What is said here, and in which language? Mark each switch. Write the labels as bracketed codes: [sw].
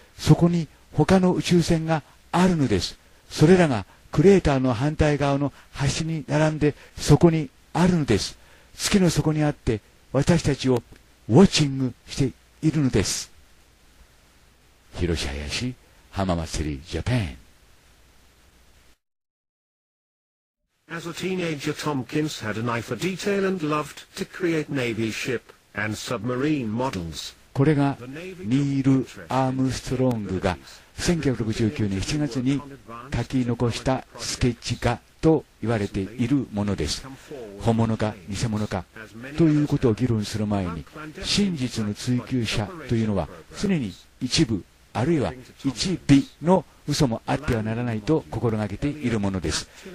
[ja] そこに他の宇宙船があるのです。それらがクレーターの反対側の端に並んでそこにあるのです。月の底にあって私たちをウォッチングしているのです。広瀬林、浜祭りジャパン。 [en] As a teenager, Tompkins had an eye for detail and loved to create Navy ship and submarine models. [ja] これがニール・アームストロングが1969年7月に書き残したスケッチ画と言われているものです。本物か偽物かということを議論する前に、真実の追求者というのは常に一部あるいは一尾の嘘もあってはならないと心がけているものです。